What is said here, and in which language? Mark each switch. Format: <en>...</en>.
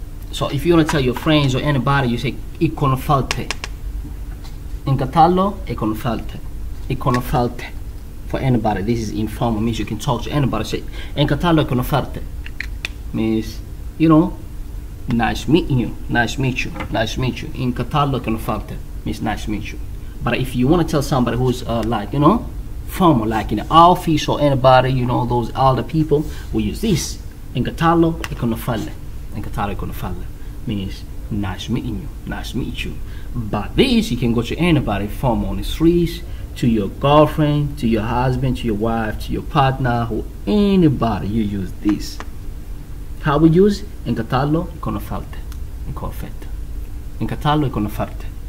<en>So if you want to tell your friends or anybody, you say, conocerte.</en> <es>Encantado de conocerte.</es> <en>Conocerte. For anybody. This is informal. Means you can talk to anybody. Say,</en> <es>encantado de conocerte.</es> <en>Means, you know, nice meeting you. Nice to meet you. Nice to meet you.</en> <es>Encantado de conocerte.</es> <en>Means nice to meet you. But if you want to tell somebody who's like, you know, formal, like in an office or anybody, you know, those other people, we use this.</en> <es>Encantado de conocerle. Encantado de conocerle.</es> <en>Means nice meeting you. Nice to meet you. But this, you can go to anybody, formal on the streets, to your girlfriend, to your husband, to your wife, to your partner, who anybody, you use this. How we use?</en> <es>Encantado de conocerte. Encantado. Encantado de conocerte.</es>